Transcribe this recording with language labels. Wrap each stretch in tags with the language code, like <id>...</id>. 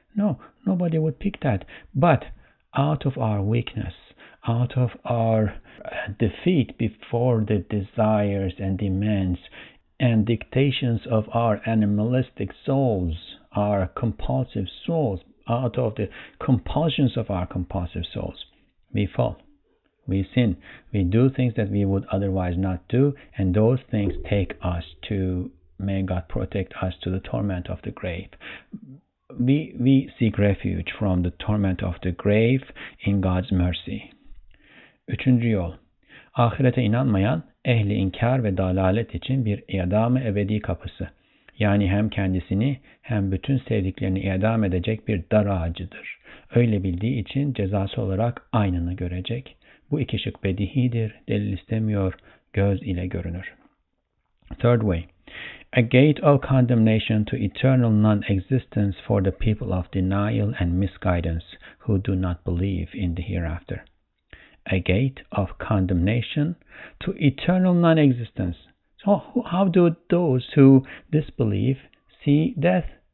<en>No, nobody would pick that. But out of our weakness, out of our defeat before the desires and demands and dictations of our animalistic souls, our compulsive souls, out of the compulsions of our compulsive souls, we fall. We sin. We do things that we would otherwise not do, and those things take us to, may God protect us, to the torment of the grave. We seek refuge from the torment of the grave in God's mercy.</en> <tr>Üçüncü yol. Ahirete inanmayan, ehli inkar ve dalalet için bir idam-ı ebedi kapısı. Yani hem kendisini hem bütün sevdiklerini idam edecek bir dar ağacıdır. Öyle bildiği için cezası olarak aynını görecek. Bu iki şık bedihidir, delil istemiyor, göz ile görünür.</tr> <en>Third way. A gate of condemnation to eternal non-existence for the people of denial and misguidance who do not believe in the hereafter. A gate of condemnation to eternal non-existence. So how do those who disbelieve see death?</en>